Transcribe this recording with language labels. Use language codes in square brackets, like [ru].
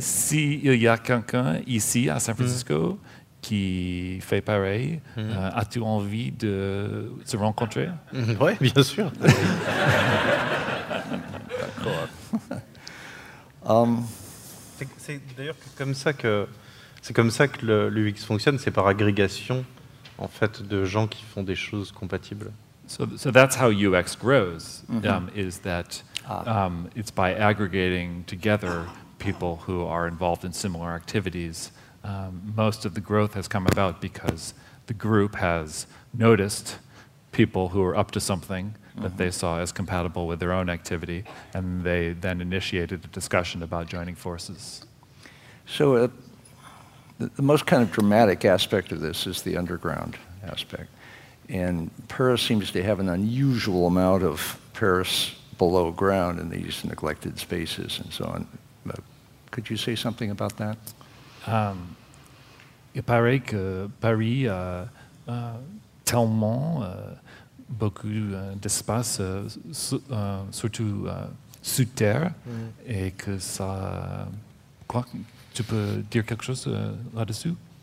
[fr] S'il y a quelqu'un ici à San Francisco qui fait pareil, as-tu envie de se rencontrer? Oui, bien sûr. D'accord. C'est d'ailleurs comme ça que l'UX fonctionne, c'est par agrégation en fait de gens qui font des choses compatibles. [en] So that's how UX grows, is that it's by aggregating together people who are involved in similar activities. Most of the growth has come about because the group has noticed people who are up to something that they saw as compatible with their own activity, and they then initiated a discussion about joining forces. So the most kind of dramatic aspect of this is the underground aspect. And Paris seems to have an unusual amount of Paris below ground in these neglected spaces and so on. But could you say something about that? [fr] Il paraît que Paris a tellement beaucoup d'espace, surtout sous terre, et que ça... Quoi? Tu peux dire quelque chose là-dessus?